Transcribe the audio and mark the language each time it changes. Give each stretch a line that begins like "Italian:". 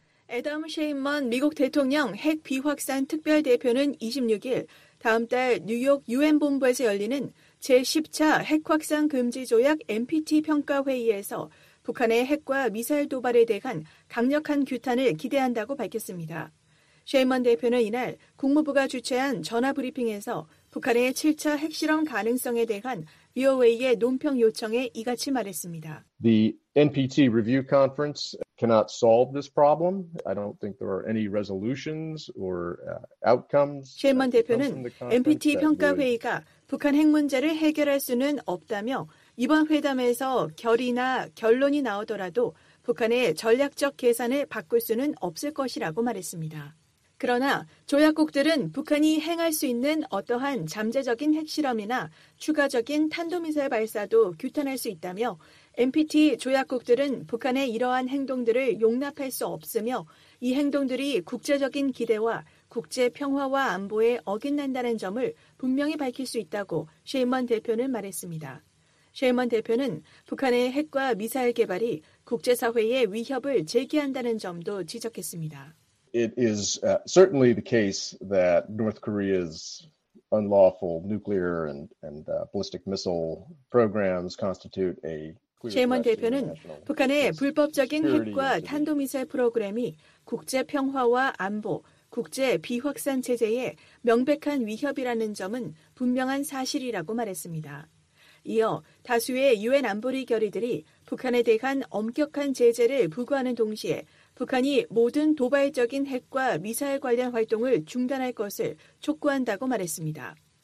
Korean: 애덤 셰인먼 미국 대통령 핵 비확산 특별대표는 26일 다음 달 뉴욕 UN 본부에서 열리는 제10차 핵확산 금지조약 NPT 평가회의에서 북한의 핵과 미사일 도발에 대한 강력한 규탄을 기대한다고 밝혔습니다. 셰인먼 대표는 이날 국무부가 주최한 전화 브리핑에서 북한의 7차 핵실험 가능성에 대한 VOA의 논평 요청에 이같이 말했습니다.
English: The NPT review conference cannot solve this problem. I don't think there are any resolutions or outcomes.
Korean: 셰인먼 대표는 NPT 평가 회의가 북한 핵 문제를 해결할 수는 없다며 이번 회담에서 결의나 결론이 나오더라도 북한의 전략적 계산을 바꿀 수는 없을 것이라고 말했습니다. 그러나 조약국들은 북한이 행할 수 있는 어떠한 잠재적인 핵실험이나 추가적인 탄도미사일 발사도 규탄할 수 있다며 NPT 조약국들은 북한의 이러한 행동들을 용납할 수 없으며 이 행동들이 국제적인 기대와 국제 평화와 안보에 어긋난다는 점을 분명히 밝힐 수 있다고 셰인먼 대표는 말했습니다. 셰인먼 대표는 북한의 핵과 미사일 개발이 국제사회에 위협을 제기한다는 점도 지적했습니다.
English: It is certainly the case that North Korea's unlawful nuclear and ballistic missile programs constitute a
Korean: 셰인먼 대표는 북한의 불법적인 핵과 탄도미사일 프로그램이 국제 평화와 안보, 국제 비확산 체제에 명백한 위협이라는 점은 분명한 사실이라고 말했습니다. 이어 다수의 유엔 안보리 결의들이 북한에 대한 엄격한 제재를 부과하는 동시에 북한이 모든 도발적인 핵과 미사일 관련 활동을 중단할 것을 촉구한다고 말했습니다.